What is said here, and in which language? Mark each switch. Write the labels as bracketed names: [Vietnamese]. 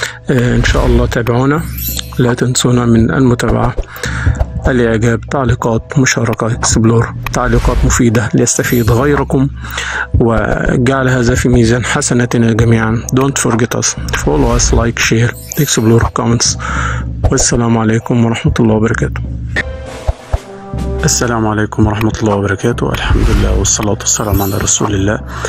[Arabic] إن شاء الله تابعونا، لا تنسونا من المتابعة، الإعجاب، تعليقات، مشاركة إكسبلور، تعليقات مفيدة ليستفيد غيركم، وجعل هذا في ميزان حسناتنا جميعا. [English] Don't forget us. Follow us, like, share, explore, comments. [Arabic] والسلام عليكم ورحمة الله وبركاته. السلام عليكم ورحمة الله وبركاته. الحمد لله والصلاة والسلام على رسول الله.